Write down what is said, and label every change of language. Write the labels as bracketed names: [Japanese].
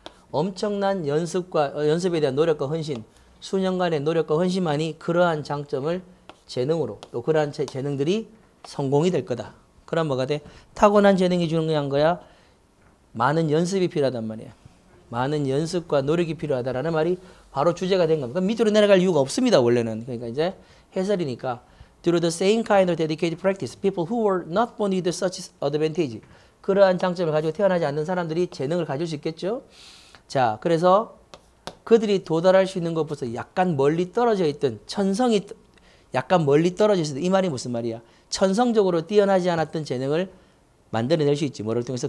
[Korean] 엄청난 연습과, 연습에 대한 노력과 헌신. 수년간의 노력과 헌신만이 그러한 장점을 재능으로, 또 그러한 재능들이 성공이 될 거다. 그럼 뭐가 돼? 타고난 재능이 중요한 거야? 많은 연습이 필요하단 말이야. 많은 연습과 노력이 필요하다라는 말이 바로 주제가 된 겁니다. 밑으로 내려갈 이유가 없습니다, 원래는. 그러니까 이제 해설이니까. [English] Through the same kind of dedicated practice, people who were not born with such advantage. [Korean] 그러한 장점을 가지고 태어나지 않는 사람들이 재능을 가질 수 있겠죠. 자, 그래서 그들이 도달할 수 있는 것보다 약간 멀리 떨어져 있던 천성이 약간 멀리 떨어져 있어도 이 말이 무슨 말이야? 천성적으로 뛰어나지 않았던 재능을 만들어낼 수 있지. 뭐를 통해서?